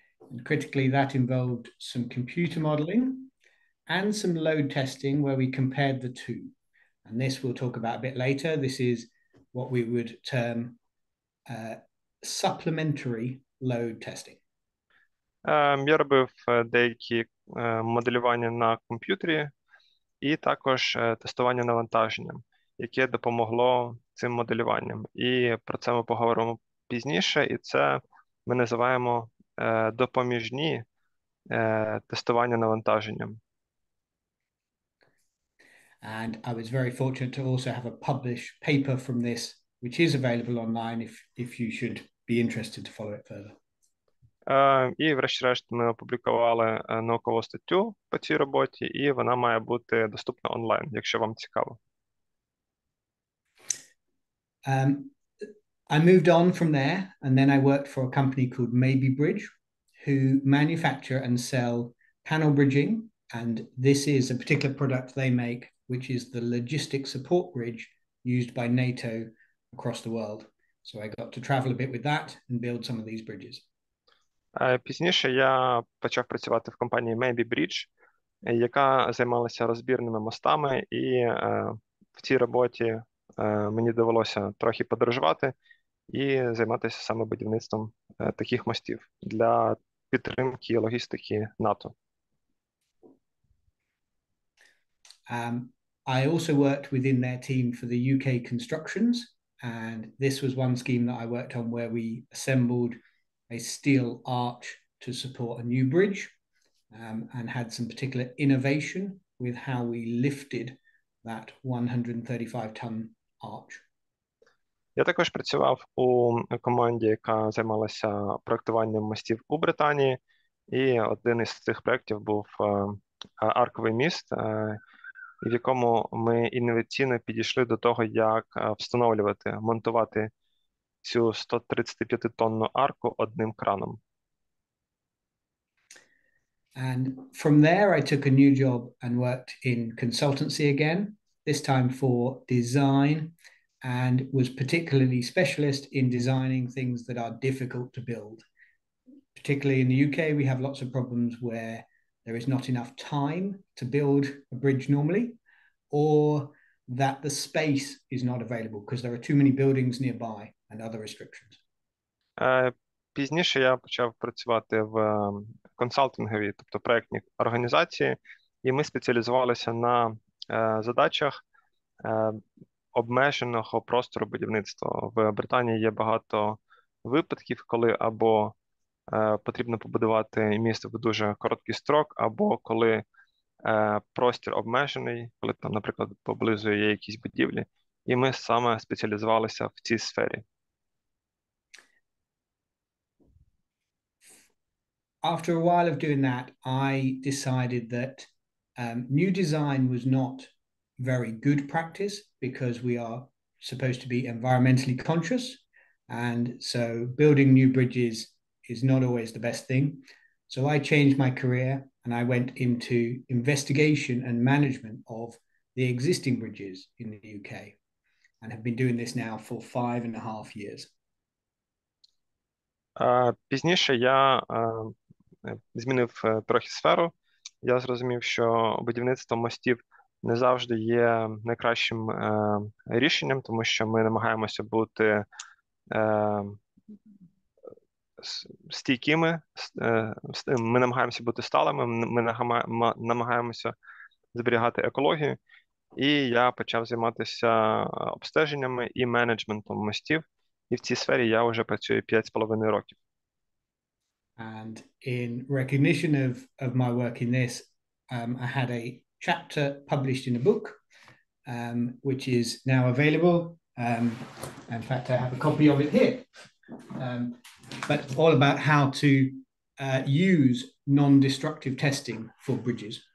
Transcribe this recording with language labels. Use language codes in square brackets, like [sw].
[en] And critically, that involved some computer modeling and some load testing where we compared the two. And this we'll talk about a bit later. This is what we would term supplementary load testing. [uk] Я робив деякі моделювання на комп'ютері і також тестування навантаженням, яке допомогло цим моделюванням. І про це ми поговоримо пізніше, і це ми називаємо допоміжні тестування навантаженням. [en] And I was very fortunate to also have a published paper from this, which is available online if you should be interested to follow it further. [uk] І врешті-решт ми опублікували наукову статтю по цій роботі, і вона має бути доступна онлайн, якщо вам цікаво. [en] I moved on from there, and then I worked for a company called Maybe Bridge, who manufacture and sell panel bridging. And this is a particular product they make, which is the logistic support bridge used by NATO across the world. So I got to travel a bit with that and build some of these bridges. [uk] Пізніше я почав працювати в компанії Maybe Bridge, яка займалася розбірними мостами, і в цій роботі мені довелося трохи подорожувати і займатися саме будівництвом таких мостів для підтримки логістики НАТО. [en] I also worked within their team for the UK constructions, and this was one scheme that I worked on where we assembled a steel arch to support a new bridge, and had some particular innovation with how we lifted that 135-ton arch. [uk] Я також працював у команді, яка займалася проектуванням мостів у Британії, і один із цих проєктів був арковий міст, в якому ми інноваційно підійшли до того, як встановлювати, монтувати цю 135-тонну арку одним краном. [en] And from there I took a new job and worked in consultancy again, this time for design, and was particularly specialist in designing things that are difficult to build. Particularly in the UK, we have lots of problems where there is not enough time to build a bridge normally, or that the space is not available because there are too many buildings nearby and other restrictions. [uk] Пізніше я почав працювати в консалтинговій, тобто проєктній організації, і ми спеціалізувалися на задачах обмеженого простору будівництва. В Британії є багато випадків, коли або потрібно побудувати місто в дуже короткий строк, або коли простір обмежений, коли там, наприклад, поблизу є якісь будівлі, і ми саме спеціалізувалися в цій сфері. [en] After a while of doing that, I decided that new design was not very good practice because we are supposed to be environmentally conscious. And so building new bridges is not always the best thing. So I changed my career and I went into investigation and management of the existing bridges in the UK and have been doing this now for 5.5 years. [uk] Пізніше я змінив трохи сферу. Я зрозумів, що будівництво мостів не завжди є найкращим рішенням, тому що ми намагаємося бути стійкими, ми намагаємося бути сталими, ми намагаємося зберігати екологію. І я почав займатися обстеженнями і менеджментом мостів. І в цій сфері я вже працюю 5.5 років. [en] And in recognition of my work in this, I had a chapter published in a book, which is now available. In fact, I have a copy of it here. But all about how to use non-destructive testing for bridges.